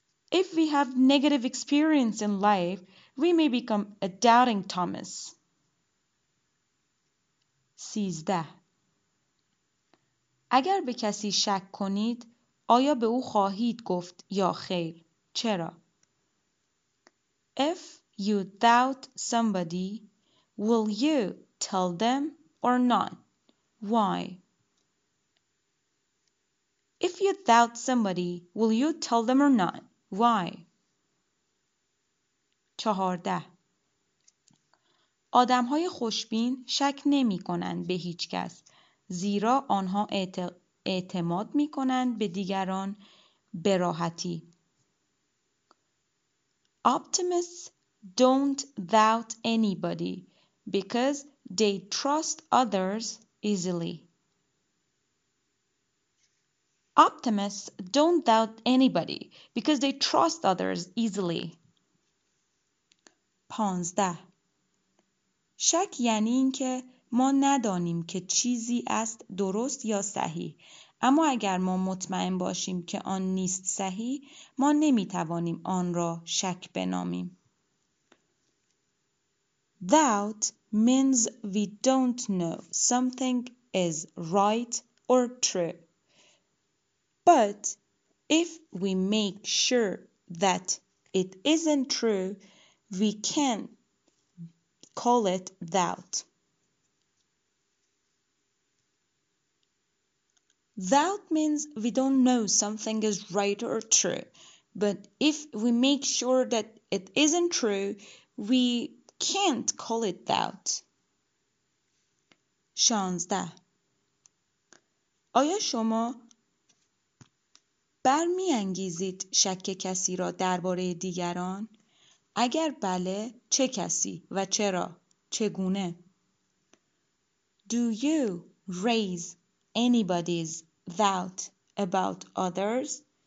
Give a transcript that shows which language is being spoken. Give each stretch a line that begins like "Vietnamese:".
English: If we have negative experience in life, we may become a doubting Thomas. 13.
Persian: اگر به کسی شک کنید، آیا به او خواهید گفت یا خیر؟ چرا؟
English: If you doubt somebody, will you tell them or not? Why? If you doubt somebody, will you tell them or not? Why? 14.
Persian: آدم‌های خوشبین شک نمی‌کنند به هیچ کس، زیرا آنها اعتماد می‌کنند به دیگران به راحتی.
English: Optimists don't doubt anybody because they trust others easily. Optimists don't doubt anybody because they trust others easily. 15.
Persian: شک یعنی این که ما ندانیم که چیزی است درست یا صحیح، اما اگر ما مطمئن باشیم که آن نیست صحیح، ما نمی توانیم آن را شک بنامیم.
English: Doubt means we don't know something is right or true. But if we make sure that it isn't true, we can call it doubt. Doubt means we don't know something is right or true. But if we make sure that it isn't true, we can't call it doubt. 16.
Persian: آیا شما برمی انگیزید شک کسی را درباره دیگران؟ اگر بله، چه کسی و چرا؟ چگونه؟
English: Do you raise anybody's doubt about others?